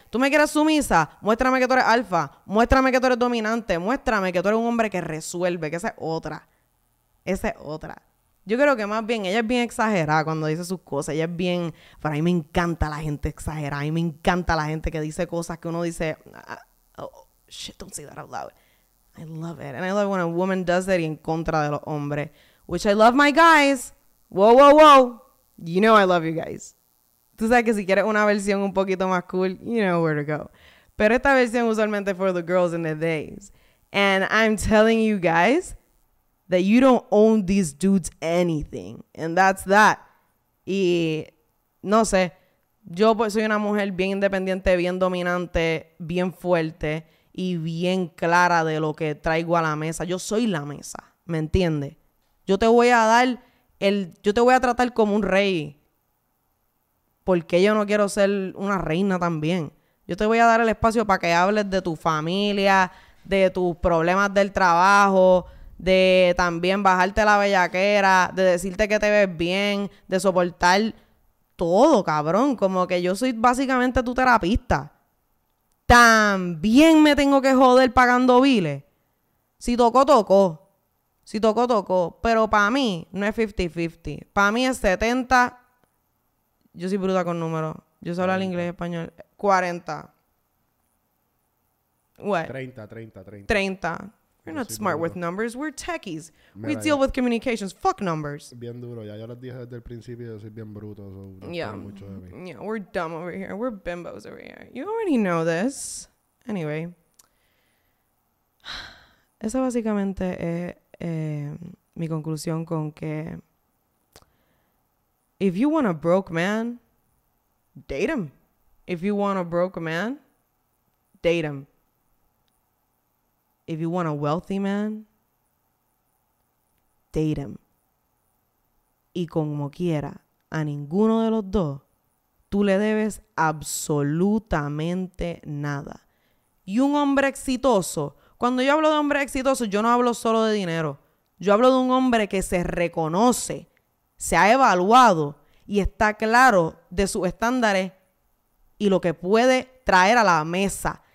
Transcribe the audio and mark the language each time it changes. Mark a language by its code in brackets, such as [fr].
[es] ¿Tú me quieres sumisa? Muéstrame que tú eres alfa. Muéstrame que tú eres dominante. Muéstrame que tú eres un hombre que resuelve, que esa es otra. Esa es otra. Yo creo que más bien ella es bien exagerada cuando dice sus cosas. Ella es bien... Para mí me encanta la gente exagerada. A mí me encanta la gente que dice cosas que uno dice... [en] Oh, shit, don't say that out loud. I love it. And I love when a woman does it [es] y en contra de los hombres. [en] Which I love my guys. Whoa, whoa, whoa. You know I love you guys. [es] Tú sabes que si quieres una versión un poquito más cool, [en] you know where to go. [es] Pero esta versión usualmente [en] for the girls in the days. And I'm telling you guys that you don't own these dudes anything. And that's that. [es] Y no sé, yo pues soy una mujer bien independiente, bien dominante, bien fuerte y bien clara de lo que traigo a la mesa. Yo soy la mesa, ¿me entiendes? Yo te voy a dar el... Yo te voy a tratar como un rey. Porque yo no quiero ser una reina también. Yo te voy a dar el espacio para que hables de tu familia, de tus problemas del trabajo, de también bajarte la bellaquera, de decirte que te ves bien, de soportar todo, cabrón. Como que yo soy básicamente tu terapista. También me tengo que joder pagando biles. Si tocó, tocó. Si tocó, tocó. Pero para mí no es 50-50. Para mí es 70. Yo soy bruta con números. Yo sé hablar inglés y español. 40. [en] What? 30. We're not smart with numbers. We're techies. We deal with communications. Fuck numbers. [es] Bien duro. Ya yo les dije desde el principio, yo soy bien bruto. [en] So yeah. [es] Mucho de mí. [en] Yeah, we're dumb over here. We're bimbos over here. You already know this. Anyway. [es] Esa básicamente es mi conclusión con que... [en] If you want a broke man, date him. If you want a broke man, date him. If you want a wealthy man, date him. [es] Y como quiera, a ninguno de los dos, tú le debes absolutamente nada. Y un hombre exitoso, cuando yo hablo de hombre exitoso, yo no hablo solo de dinero. Yo hablo de un hombre que se reconoce, se ha evaluado y está claro de sus estándares y lo que puede traer a la mesa.